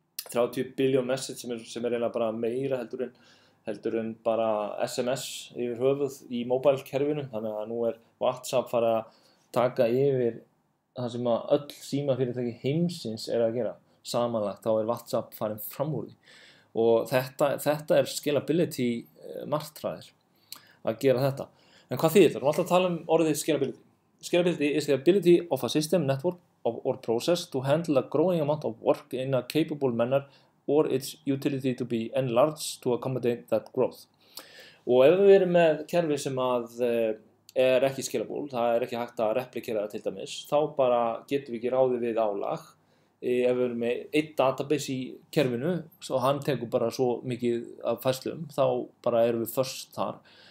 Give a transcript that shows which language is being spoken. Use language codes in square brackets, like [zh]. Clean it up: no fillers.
[is] 30 biljón message sem er eiginlega bara meira heldur en bara SMS yfir höfuð í mobile kerfinu, þannig að nú er WhatsApp fara að taka yfir það sem að öll símafyrirtæki heimsins er að gera samanlagt, þá er WhatsApp farin fram úr því og þetta er scalability martraðir að gera þetta. En hvað þýðir? Það erum alltaf að tala orðið scalability. [en] Scalability is the ability of a system, network or process to handle a growing amount of work in a capable manner or its utility to be enlarged to accommodate that growth. [is] Og ef við erum með kerfi sem að er ekki scalable, það er ekki hægt að replikera það til dæmis, þá bara getum við ekki ráðið við álag. Ef við erum með eitt database í kerfinu og hann tekur bara svo mikið af færslum, þá bara erum við först þar.